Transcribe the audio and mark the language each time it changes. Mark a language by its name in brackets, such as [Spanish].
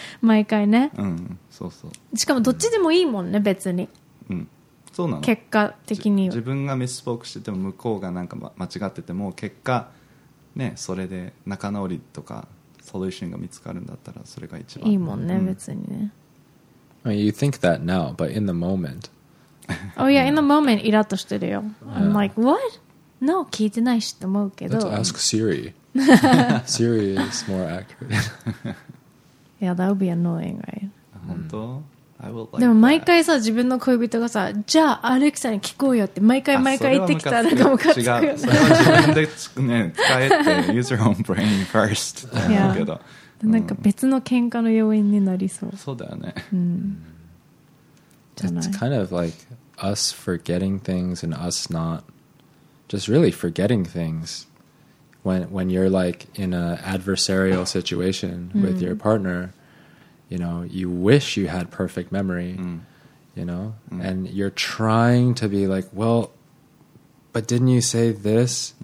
[Japanese] 毎回ね、しかもどっちでもいいもんね、別にそうなの結果的に自分がミスポークしてても向こうがなんか間違ってても結果、ね、それで仲直りとかソリューションが見つかるんだったらそれが一番いいもんね、別にね [English] I mean, You think that now but in the moment Oh yeah, in the moment [Japanese] イラッとしてるよ [English] I'm like, what? No, 聞いてないしって思うけど Let's ask Siri Siri is more accurate Yeah, that would be annoying, right? [Japanese] 本当 [English] I will like、 [Japanese] でも毎回さ [English] that. [Japanese] 自分の恋人がさじゃあアレクサに聞こうよって毎回毎回言ってきたらなんかムカつくよね違う自分で、ね、使えて [English] Use your own brain first [Japanese] って思うけど、なんか別の喧嘩の要因になりそうそうだよね、じゃない [English] It's kind of like us forgetting things and us not just really forgetting things when you're like in an adversarial situation with your partnerYou know, you wish you had perfect memory, you know, and you're trying to be like, well, but didn't you say this?